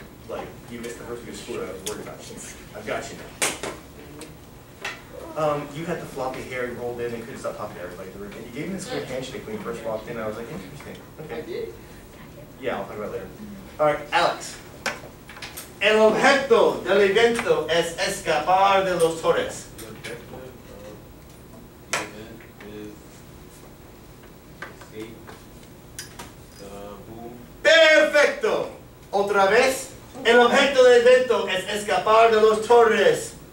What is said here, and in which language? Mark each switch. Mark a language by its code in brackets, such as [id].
[en] like, you missed the first week of school that I was worried about. I've got you now. You had the floppy hair and rolled in and couldn't stop talking to everybody in the room. And you gave me this weird handshake when you first walked in. I was like, interesting. Okay. I did? Yeah, I'll talk about it later. Mm-hmm. All right, Alex. [es] El objeto del evento es escapar de los torres. [en] The objeto of the event is escape the boom. [es] Perfecto. Otra vez. El objeto del evento es escapar de los torres.